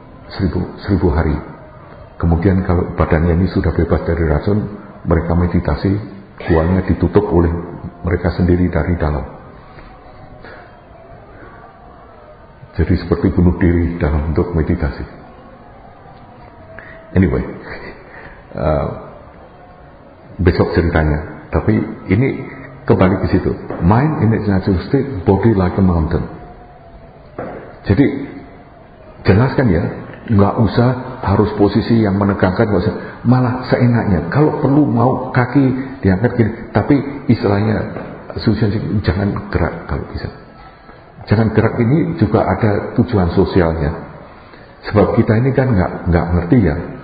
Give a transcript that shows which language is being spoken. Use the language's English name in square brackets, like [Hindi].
[Indonesian] 1000 hari. Kemudian kalau badannya ini sudah bebas dari racun, mereka meditasi, guanya ditutup oleh mereka sendiri dari dalam. Jadi seperti bunuh diri dalam bentuk meditasi. Anyway, besok ceritanya. Tapi ini kembali ke situ. [English] Mind in its natural state, body like a mountain. [Indonesian] Jadi jelaskan ya, nggak usah harus posisi yang menegangkan, malah seenaknya. Kalau perlu mau kaki diangkat gini, tapi istilahnya susah, jangan gerak kalau bisa. Jangan gerak ini juga ada tujuan sosialnya. Sebab kita ini kan nggak ngerti ya.